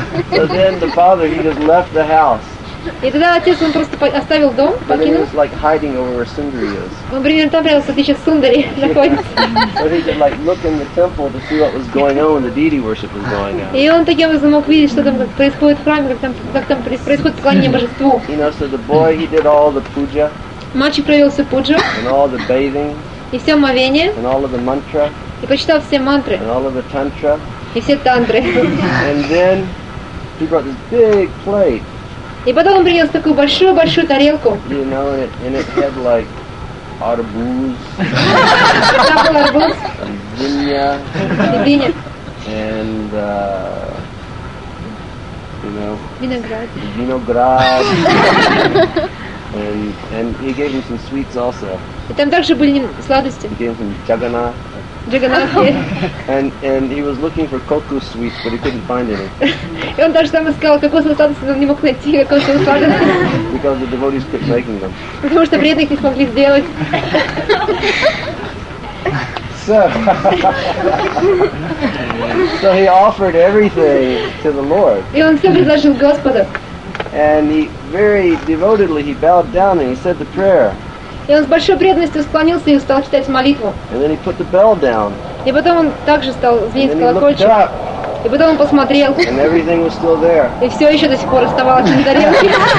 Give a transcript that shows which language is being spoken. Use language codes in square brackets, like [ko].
[en] So then the father, he just left the house. [ru] И тогда отец, он просто оставил дом, покинул. [en] He was like hiding over where Sundari is. [ru] Он примерно там прятался, где сейчас Сундари находится. [en] But he could like look in the temple to see what was going on, the deity worship was going on. [ru] И он таким образом мог видеть, что там происходит в храме, как там происходит поклонение божеству. [en] You know, so the boy, he did all the puja. [ru] Мальчик провел всю пуджу. [en] And all the bathing. [ru] И все омовение. [en] And all of the mantra. [ru] И прочитал все мантры. [en] And all of the tantra. [ru] И все тантры. [en] And then he brought this big plate. [ru] И потом он принес такую большую-большую тарелку. [en] You know, and it had like arbuz. [ru] Там был арбуз. Дыня. И дыня. [en] And, you know. [ru] Виноград. Виноград. [en] And he gave him some sweets also. [ru] И там также были сладости. [en] He gave him some джагана. And he was looking for cocoa sweets, but he couldn't find any. [ru] И он даже там искал кокосовые сладости, но не мог найти кокосовые сладости. [en] Because the devotees kept making them. [ru] Потому что преданных не смогли сделать. [en] So he offered everything to the Lord. [ru] И он все предложил Господу. [en] And he very devotedly he bowed down and he said the prayer. [ru] И он с большой преданностью склонился и стал читать молитву. [en] And then he put the bell down. [ru] И потом он также стал звенеть колокольчик. И потом он посмотрел. [en] And everything was still there. [ru] И все еще до сих пор оставалось на тарелке.